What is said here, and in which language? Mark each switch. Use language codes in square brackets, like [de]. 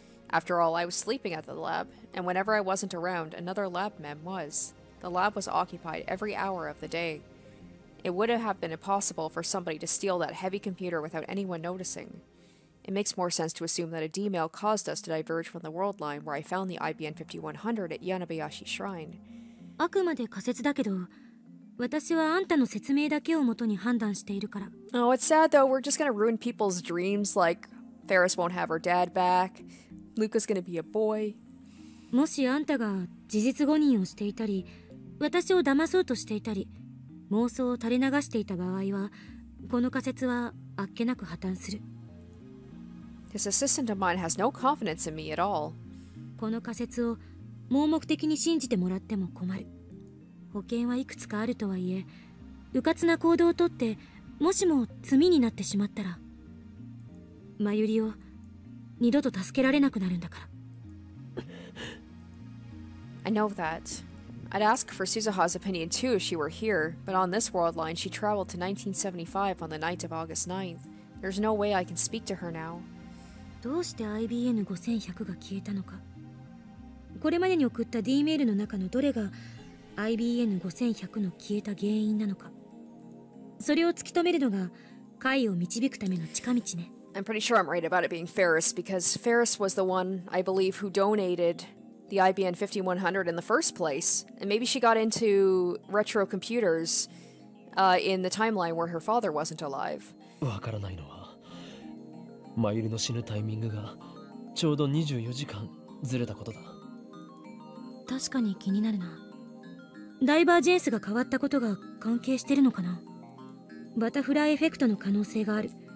[en] After all, I was sleeping at the lab, and whenever I wasn't around, another lab mem was. The lab was occupied every hour of the day. It would have been impossible for somebody to steal that heavy computer without anyone noticing. It makes more sense to assume that a D-mail caused us to diverge from the world line where I found the IBN 5100 at Yanabayashi Shrine. [ja] あくまで仮説だけど、私はあんたの説明だけをもとに判断しているから。 [en] Oh, it's sad though. We're just gonna ruin people's dreams. Like, Faris won't have her dad back. Luca's gonna be a boy. [ja] もしあんたが事実誤認をしていたり、私を騙そうとしていたり、妄想を垂れ流していた場合は、この仮説はあっけなく破綻する。 [en] His assistant of mine has no confidence in me at all. [ja] この仮説を盲目的に信じてもらっても困る。保険はいくつかあるとはいえ、迂闊な行動をとって、もしも罪になってしまったら、マユリを二度と助けられなくなるんだから。 [en] I know that. I'd ask for Suzuha's opinion too if she were here, but on this world line, she traveled to 1975 on the night of August 9th. There's no way I can speak to her now. [ja] どうして IBN 5100が消えたのか。これまでに送った D メールの中のどれが IBN 5100の消えた原因なのか、それを突き止めるのが解を導くための近道ね。 [en] I'm pretty sure I'm right about it being Faris, because Faris was the one, I believe, who donated the IBN 5100 in the first place. And maybe she got into retro computers, in the timeline where her father wasn't alive. [ja] わからないのは、マユリの死ぬタイミングがちょうど24時間ずれたことだ。確かに気になるな。ダイバージェンスが変わったことが関係してるのかな。バタフライエフェクトの可能性がある。